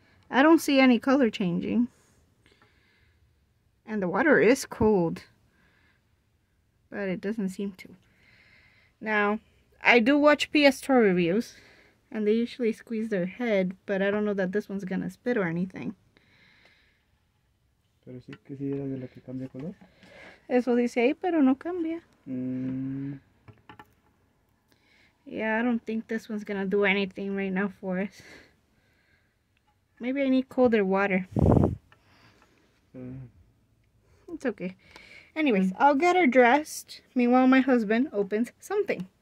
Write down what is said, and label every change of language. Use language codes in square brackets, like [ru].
[en] I don't see any color changing. And the water is cold. But it doesn't seem to. Now, I do watch PS Tour reviews. And they usually squeeze their head. But I don't know that this one's going to spit or anything. [es] Pero sí que sí era de la que cambia color. Eso dice ahí, pero no cambia. [en] Yeah, I don't think this one's gonna do anything right now for us. Maybe I need colder water. It's okay. Anyways, I'll get her dressed. Meanwhile, my husband opens something.